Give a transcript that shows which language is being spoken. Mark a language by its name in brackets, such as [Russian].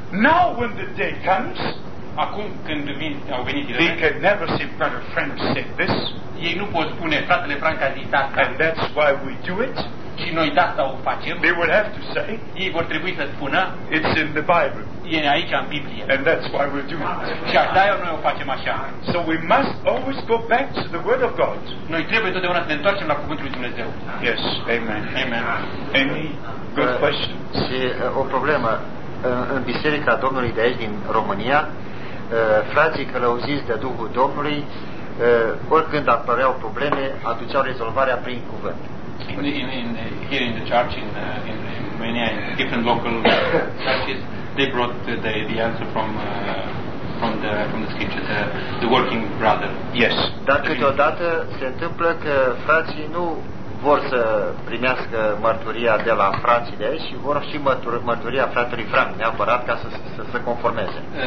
[English] Now when the day comes, [Romanian] acum când au venit ele, [English] they can never say, brother Frank said this. [Romanian] Ei nu pot spune, fratele Frank a zis asta. [English] And that's why we do it. [Romanian] Și noi de asta o facem. [English] They will have to say. [Romanian] Ei vor trebui să spună. [English] It's in the Bible. [Romanian] E aici în Biblie. [English] And that's why we do it. [Romanian] Și așa noi o facem așa. [English] So we must always go back to the Word of God. [Romanian] Noi trebuie totdeauna să ne întoarcem la Cuvântul lui Dumnezeu. [English] Yes, amen. [Romanian] Amen. [English] Any good question? [Romanian] Și o problemă. În Biserica Domnului de aici, din România, frații călăuziți de Duhul Domnului, oricând apăreau probleme, aduceau rezolvarea prin cuvânt. [English] Here in the church, in Romania, in different local churches, they brought the answer from the scripture, the working brother. Yes. [Romanian] Dar câteodată se întâmplă că frații nu vor să primească mărturia de la frații de aici și vor și mărturia fratelui Frank neapărat ca să se conformeze.